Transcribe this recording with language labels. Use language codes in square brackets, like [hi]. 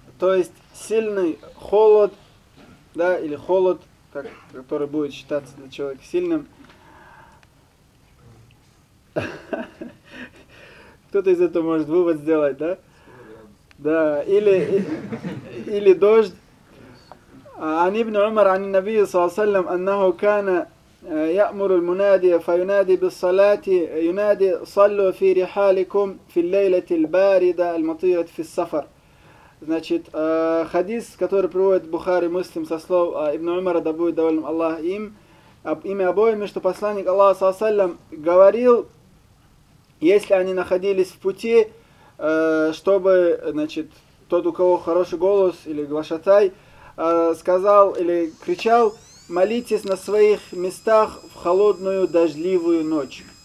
[ru] То есть сильный холод, да, или холод, как, который будет считаться для человека сильным. Кто-то из этого может вывод сделать, да? Да, или дождь. [ar] عن ابن عمر عن النبي صلى الله عليه وسلم أنه كان يأمر المنادي فينادي بالصلاة ينادي صلوا في رحالكم في الليلة الباردة المطيرة في السفر. [ru] Значит, хадис, который приводит Бухари Муслим со слов Ибн Умара, да будет доволен Аллах им, имя обоими, что посланник Аллаха, саллаллаху алейхи ва саллям, говорил, если они находились в пути, чтобы, значит, тот, у кого хороший голос или глашатай, сказал или кричал, молитесь на своих местах в холодную дождливую ночь.